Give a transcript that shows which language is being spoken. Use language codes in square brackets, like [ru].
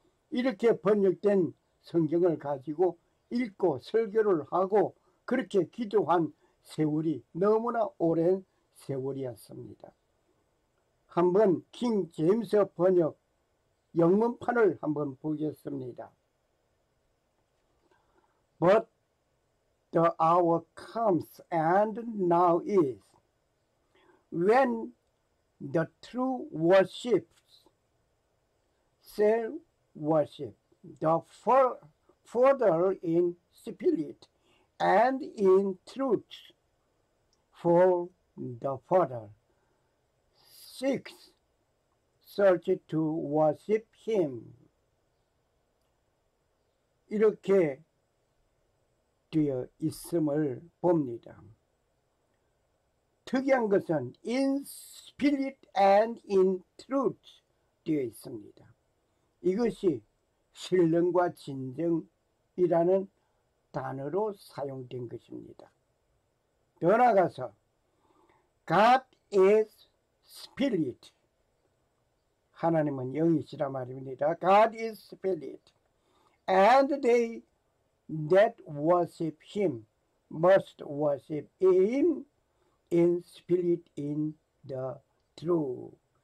[ko] 이렇게 번역된 성경을 가지고 읽고 설교를 하고 그렇게 기도한 세월이 너무나 오랜 세월이었습니다. 한번 킹 제임스 번역 영문판을 한번 보겠습니다. [en] But the hour comes and now is when the true worships shall worship the Father in spirit and in truth, for the Father seeks such to worship him. [ko] 이렇게 되어 있음을 봅니다. 특이한 것은 [en] in spirit and in truth [ko] 되어 있습니다. 이것이 신령과 진정이라는 단어로 사용된 것입니다. 더 나아가서 [en] God is spirit. [ko] 하나님은 영이시라 말입니다. [en] God is spirit. And they that worship him must worship him in spirit in the truth.